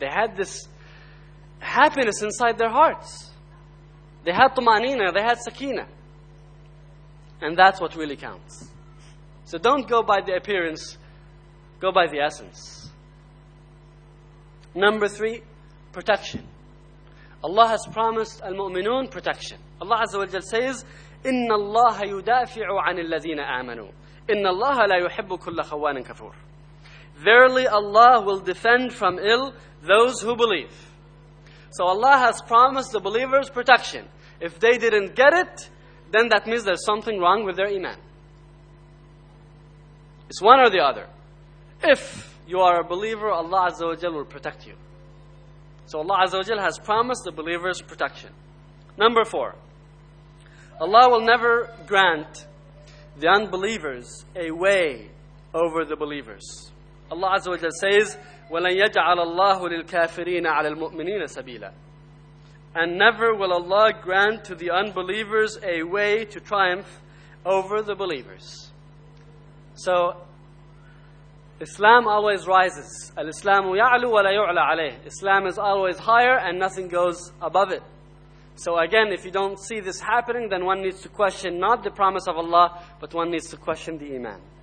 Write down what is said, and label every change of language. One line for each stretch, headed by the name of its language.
English: They had this happiness inside their hearts. They had Tumanina, they had Sakina. And that's what really counts. So don't go by the appearance, go by the essence. Number three, protection. Allah has promised al-mu'minun protection.
Arabic: Allah Azza wa Jalla says, إِنَّ اللَّهَ يُدَافِعُ عَنِ الَّذِينَ آمَنُوا إِنَّ اللَّهَ لَا يُحِبُّ كُلَّ خَوَّانٍ كَفُورٍ.
English: Verily Allah will defend from ill those who believe. So Allah has promised the believers protection. If they didn't get it, then that means there's something wrong with their iman. It's one or the other. If you are a believer, Allah Azza wa Jalla will protect you. So Allah Azza wa Jalla has promised the believers protection. Number four, Allah will never grant the unbelievers a way over the believers.
Arabic: Allah Azza wa Jalla says, وَلَنْ يَجْعَلَ اللَّهُ لِلْكَافِرِينَ عَلَى الْمُؤْمِنِينَ سَبِيلًا.
English: And never will Allah grant to the unbelievers a way to triumph over the believers. So, Islam always rises.
Arabic: الْإِسْلَامُ يَعْلُو وَلَا يُعْلَى عَلَيْهِ.
English: Islam is always higher and nothing goes above it. So again, if you don't see this happening, then one needs to question not the promise of Allah, but one needs to question the iman.